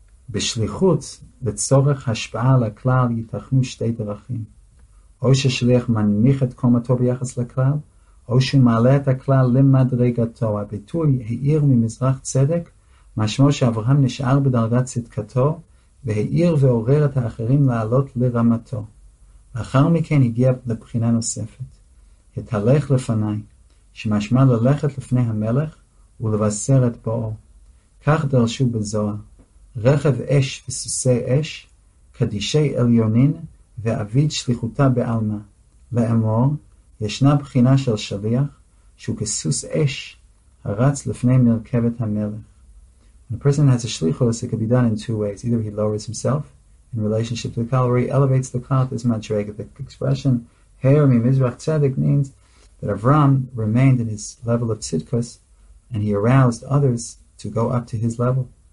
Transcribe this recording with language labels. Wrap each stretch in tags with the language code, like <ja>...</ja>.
<he>B'shlichut l'tzorech hashpa'a l'klal yitachnu shtei derachim. O sheshlich manmich et komato b'yachas l'klal, o shumale et ha'klal l'madregato, ha'bitui he'ir mimizrach tzedek, משמעו שאברהם נשאר בדרגת צדקתו והאיר ועורר את האחרים לעלות לרמתו. לאחר מכן הגיע לבחינה נוספת. התהלך לפניי, שמשמע ללכת לפני המלך ולבשר את בואו. כך דרשו בזוהר, רכב אש וסוסי אש,</he> <arc>קדישי עליונין ואביד שליחותה בעלמה.</arc> <he>לאמור, ישנה בחינה של שליח שהוא כסוס אש הרץ לפני מרכבת המלך.</he> <en>When a person has a shlichus, it could be done in two ways. Either he lowers himself in relationship to the klal, or he elevates the klal. This madrega, the expression</en> <he>"heir mi mizrach tzedek"</he> <en>means that Avram remained in his level of tzidkus, and he aroused others to go up to his level.</en>